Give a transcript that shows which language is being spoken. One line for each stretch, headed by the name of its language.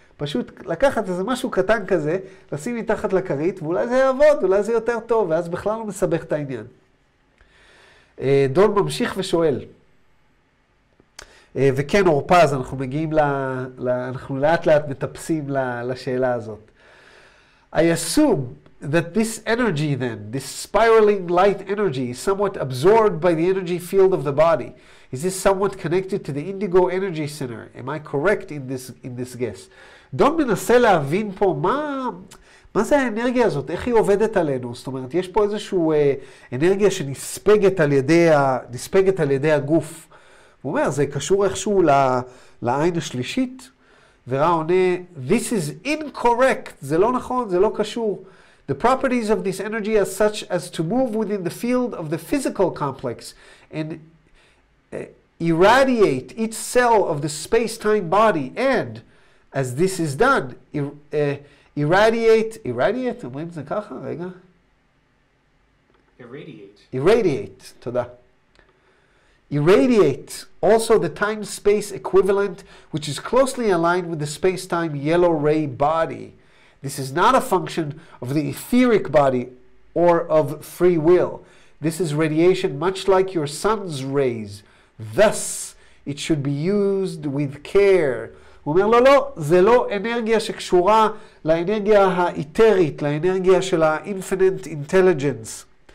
Hebrew: פשוט לקחת איזה משהו קטן כזה, לשים מתחת לקרית, ואולי זה יעבוד, אולי זה יותר טוב, ואז בכלל לא מסבך את העניין. דון ממשיך ושואל. וכן, אורפז, אנחנו מגיעים אנחנו לאט לאט מטפסים לשאלה הזאת.
English: I assume that this energy then, this spiraling light energy, is somewhat absorbed by the energy field of the body. Is this somewhat connected to the indigo energy center? Am I correct in this guess?
Hebrew: דון מנסה להבין פה מה זה האנרגיה הזאת, איך היא עובדת עלינו. זאת אומרת, יש פה איזשהו אנרגיה שנספגת על ידי הגוף. הוא אומר, זה קשור איכשהו לעין השלישית, ורא עונה,
English: this is incorrect,
Hebrew: זה לא נכון, זה לא קשור.
English: The properties of this energy are such as to move within the field of the physical complex and irradiate each cell of the space-time body, and as this is done, irradiate,
Hebrew: אומרים זה ככה, רגע?
English: Irradiate,
Hebrew: תודה.
English: Irradiate also the time-space equivalent, which is closely aligned with the space-time yellow ray body. This is not a function of the etheric body or of free will. This is radiation much like your sun's rays. Thus, it should be used with care.
Hebrew: הוא אומר, לא, זה לא אנרגיה שקשורה לאנרגיה האיתרית, לאנרגיה של ה-infinite intelligence.